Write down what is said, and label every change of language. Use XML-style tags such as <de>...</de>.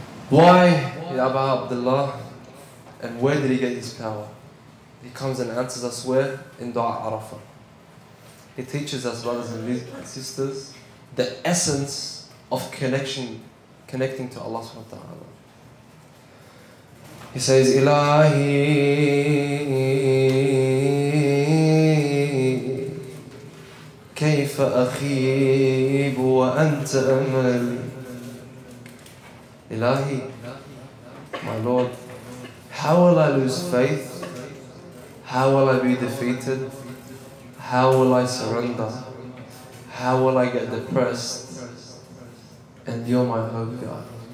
<en>Why, Ya Aba Abdullah, and where did he get his power? He comes and answers us where? In Dua Arafah. He teaches us, brothers and sisters, the essence of connecting to Allah subhanahu wa ta'ala. He says,</en> <ar>Ilahi, كيف أخيب وأنت أملي.</ar> <en>Ilahi, my Lord, how will I lose faith? How will I be defeated? How will I surrender? How will I get depressed? And you're my hope, God.</en>